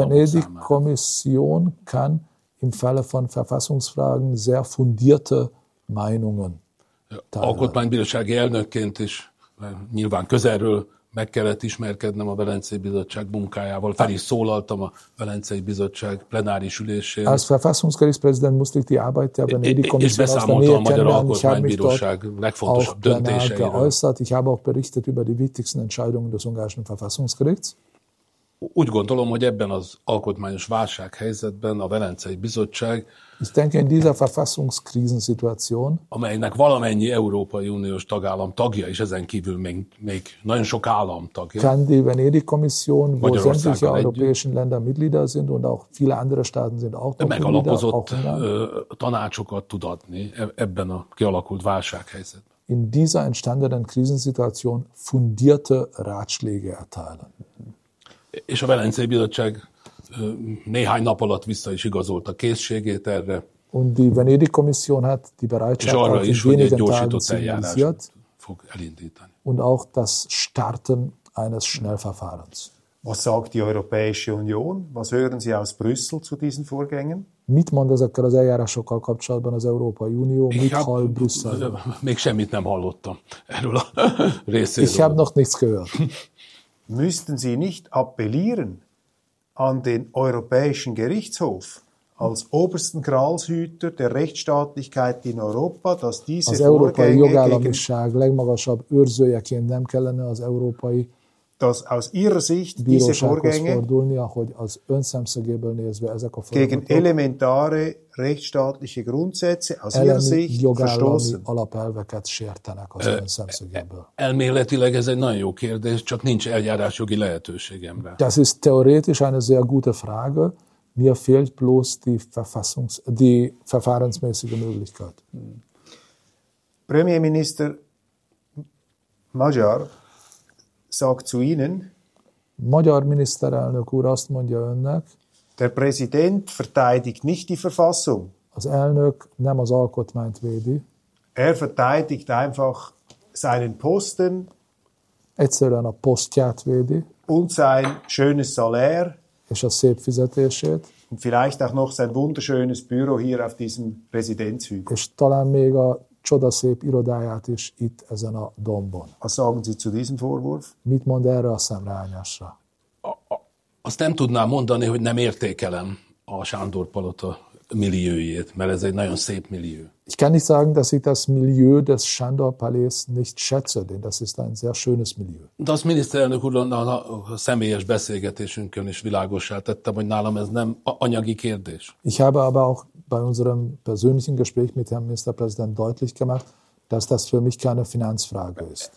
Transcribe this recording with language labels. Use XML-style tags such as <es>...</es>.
<hu>számára.</hu> <de>Die Venedig-Kommission kann im Falle von Verfassungsfragen sehr fundierte Meinungen teilen.</de> <hu>Alkotmánybírósági elnökként is nyilván közelről meg kellett ismerkednem a Velencei Bizottság munkájával. Fel is szólaltam a Velencei Bizottság plenáris ülésén.</hu> <de>Als Verfassungsgerichtspräsident musste ich die Arbeit der Venedig-Kommission aus der Nähe kennenlernen. Ich habe mich dort auch geäußert. Ich habe auch berichtet über die wichtigsten Entscheidungen des ungarischen Verfassungsgerichts.</de> <hu>Úgy gondolom, hogy ebben az alkotmányos válsághelyzetben a Velencei Bizottság,</hu> <de>ich denke, in dieser Verfassungskrisensituation,</de> <hu>amelynek valamennyi Európai Uniós tagállam tagja, és ezen kívül még nagyon sok állam tagja,</hu> <de>kann die Venedig-Kommission, wo sämtliche europäischen Länder Mitglieder sind, und auch viele andere Staaten sind auch Mitglieder,</de> <hu>megalapozott tanácsokat tud adni ebben a kialakult válsághelyzetben.</hu> <de>In dieser entstandenen Krisensituation fundierte Ratschläge erteilen.</de> <hu>És a Velencei Bizottság néhány nap alatt vissza is igazolta készségét erre.</hu> <de>Und die Venedig-Kommission hat die Bereitschaft,</de> <hu>és arra is, hogy egy gyorsított eljárást fog elindítani.</hu> <de>Und auch das Starten eines Schnellverfahrens. Was sagt die Europäische Union? Was hören Sie aus Brüssel zu diesen Vorgängen?</de> <hu>Mit mond ezekkel az eljárásokkal kapcsolatban az Európai Unió? Mit hall Brüsszel? Még semmit nem hallottam erről a részéről.</hu> <de>Ich habe noch nichts gehört. Müssten Sie nicht appellieren an den Europäischen Gerichtshof, als obersten Gralshüter der Rechtsstaatlichkeit in Europa, dass diese Vorgänge...</de> <hu>Az európai jogállamiság legmagasabb őrzőjeként nem kellene az európai...</hu> <de>Dass aus ihrer Sicht diese Vorgänge</de> <hu>fordulnia, hogy az ön szemszögéből nézve ezek a</hu> <de>gegen elementare rechtsstaatliche Grundsätze aus ihrer Sicht verstoßen.</de> <hu>Alapelveket sértenek az ön szemszögéből. Elméletileg ez egy nagyon jó kérdés, csak nincs eljárásjogi lehetőségemre.</hu> <de>Das ist theoretisch eine sehr gute Frage. Mir fehlt bloß die verfahrensmäßige Möglichkeit. Premierminister Magyar sagt zu Ihnen,</de> <hu>Magyar miniszterelnök úr azt mondja önnek,</hu> <de>der Präsident verteidigt nicht die Verfassung.</de> <hu>Az elnök nem az alkotmányt védi.</hu> <de>Er verteidigt einfach seinen Posten.</de> <hu>Egyszerűen a posztját védi.</hu> <de>Und sein schönes Salär.</de> <hu>És a szép fizetését.</hu> <de>Und vielleicht auch noch sein wunderschönes Büro hier auf diesem Residenzhügel.</de> <hu>És talán még a csodaszép irodáját is itt ezen a dombon.</hu> <de>Was sagen Sie zu diesem Vorwurf?</de> <hu>Mit mond erre a szemrehányásra? Azt nem tudnám mondani, hogy nem értékelem a Sándor Palota milliójét, mert ez egy nagyon szép millió.</hu> <de>Ich kann nicht sagen, dass ich das Milieu des Sándor Palais nicht schätze, denn das ist ein sehr schönes Milieu.</de> <hu>De azt miniszterelnök úr a személyes beszélgetésünkön is világossá tettem, hogy nálam ez nem anyagi kérdés.</hu> <de>Ich habe aber auch bei unserem persönlichen Gespräch mit Herrn Ministerpräsident deutlich gemacht, dass das für mich keine Finanzfrage ist.</de>